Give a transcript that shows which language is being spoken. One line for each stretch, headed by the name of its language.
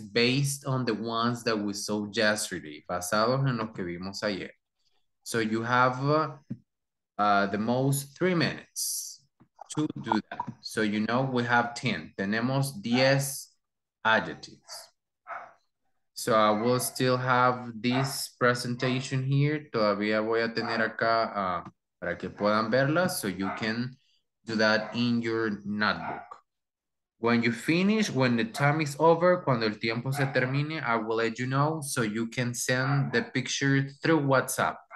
English: Based on the ones that we saw yesterday.
Spanish: Basados en los que vimos ayer.
English: So you have the most 3 minutes to do that. So you know we have 10.
Spanish: Tenemos 10
English: adjectives. So I will still have this presentation here.
Spanish: Todavía voy a tener acá para que puedan verla.
English: So you can do that in your notebook. When you finish, when the time is over,
Spanish: cuando el tiempo se termine,
English: I will let you know so you can send the picture through WhatsApp.